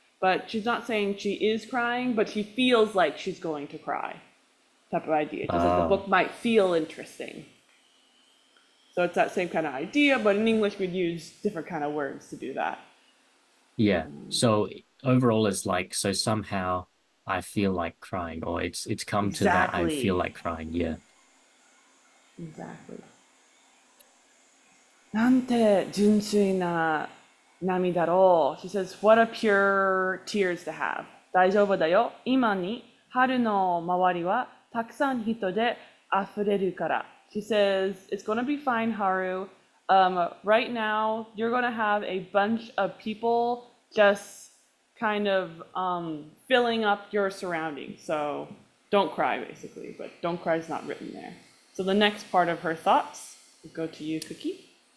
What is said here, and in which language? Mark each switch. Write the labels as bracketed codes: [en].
[en] But she's not saying she is crying, but she feels like she's going to cry type of idea, just like the book might feel interesting. So it's that same kind of idea, but in English we'd use different kind of words to do that. Yeah, so overall it's like, so somehow I feel like crying, or it's come to that I feel Exactly. like crying, yeah. Exactly. [ja] なんて純粋な波だろう。 [en] She says, What a pure tears to have. [ja] 大丈夫だよ。今に春の周りはたくさん人で溢れるから。 [en] She says, It's gonna be fine, Haru. Right now, you're gonna have a bunch of people just kind of filling up your surroundings. So don't cry, basically. But don't cry is not written there. So the next part of her thoughts go to you, Cookie.